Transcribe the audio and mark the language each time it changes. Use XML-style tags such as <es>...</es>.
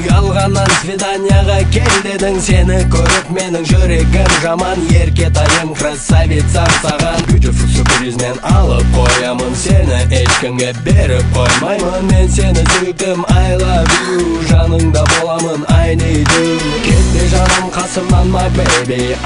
<kk>Алғаннан свиданияға кел дедің. Сені көріп менің жүрегім жаман. Ерке тайым красавицам саған. Beautiful surprise-мен алып қоямын. Сені ешкінге беріп қоймаймын. Мен сені сүйдім.</kk> <en>I love you,</en> <kk>жаныңда боламын.</kk> <en>I need you.</en> <kk>Кетпе жаным қасымнан,</kk> <en>my baby.</en>